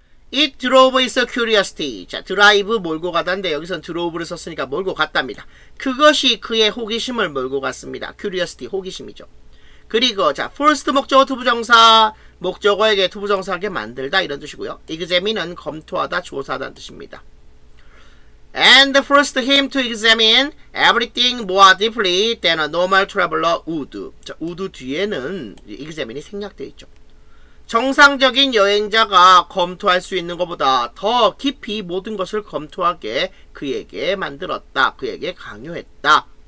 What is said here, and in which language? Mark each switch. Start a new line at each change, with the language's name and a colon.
English: It drove his curiosity.
Korean: 자, drive 몰고 가다인데 여기선 drove를 썼으니까 몰고 갔답니다. 그것이 그의 호기심을 몰고 갔습니다. curiosity, 호기심이죠. 그리고 자, first 목적어 투부정사, 목적어에게 투부정사하게 만들다, 이런 뜻이고요. examine은 검토하다, 조사하다는 뜻입니다.
English: And forced him to examine everything more deeply than a normal traveler would.
Korean: 자, would 뒤에는 examine이 생략되어 있죠. 정상적인 여행자가 검토할 수 있는 것보다 더 깊이 모든 것을 검토하게 그에게 만들었다, 그에게 강요했다.